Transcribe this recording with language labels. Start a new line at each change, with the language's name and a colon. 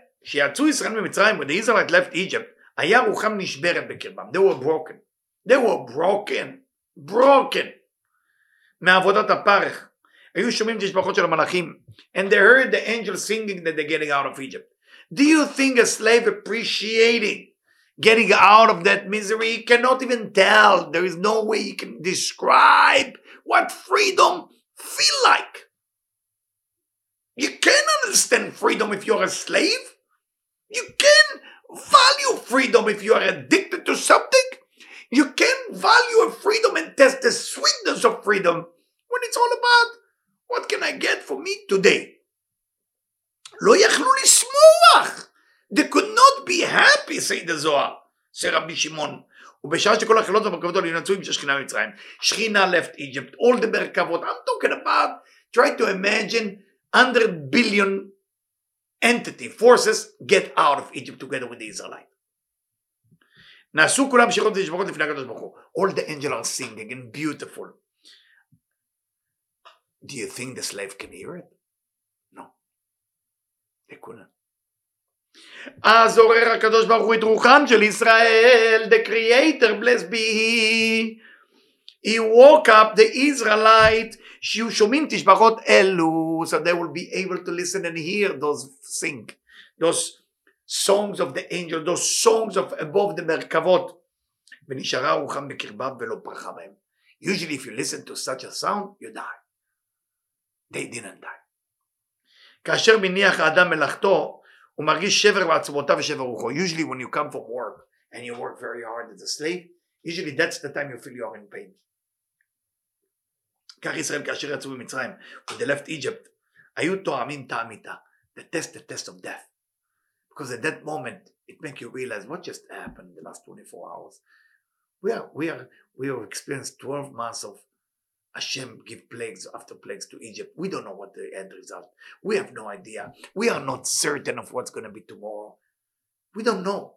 Hebrew: כשיצאו ישראל ממצרים,
English: when the Israelites left Egypt,
Hebrew: היה רוחם נשברת בקרבם.
English: They were broken.
Hebrew: מעבודת הפרך. היו שומעים תשבחות של המלאכים.
English: And they heard the angels singing that they're getting out of Egypt. Do you think a slave appreciating getting out of that misery? He cannot even tell. There is no way he can describe what freedom feel like. You can't understand freedom if you're a slave. You can value freedom if you are addicted to something. You can value a freedom and test the sweetness of freedom when it's all about what can I get for me today.
Hebrew: Lo yachlu lismuach.
English: They could not be happy, say the Zohar, say Rabbi Shimon.
Hebrew: ובשעה שכל החילות והמרכבות האלה ינצו עם שכינה מצרים. שכינה
English: left Egypt, all the
Hebrew: מרכבות.
English: I'm talking about, try to imagine 100 billion entity forces get out of Egypt together with the Israelite.
Hebrew: נעשו כולם שירות ונשמרות לפני הקדוש ברוך הוא.
English: All the angels are singing and beautiful. Do you think the slave can hear it? No. They couldn't.
Hebrew: אז עורר הקדוש ברוך הוא את רוחם של ישראל,
English: the creator, blessed be he. He woke up the Israelite,
Hebrew: שיהיו שומעים תשבחות אלו,
English: so they will be able to listen and hear those sing, those songs of the angel, those songs of above the מרכבות.
Hebrew: ונשארה רוחם בקרבם ולא פרחה בהם.
English: Usually if you listen to such a sound, you die. They didn't die.
Hebrew: כאשר מניח האדם מלאכתו, הוא מרגיש שבר בעצמותיו ושבר רוחו.
English: Usually when you come for work and you work very hard as a slave, usually that's the time you feel you are in pain.
Hebrew: כך ישראל כאשר יצאו במצרים,
English: when they left Egypt,
Hebrew: היו תואמים תאמיתה.
English: The test of death. Because at that moment, it makes you realize what just happened in the last 24 hours. We have experienced 12 months of Hashem give plagues after plagues to Egypt. We don't know what the end result. We have no idea. We are not certain of what's going to be tomorrow. We don't know.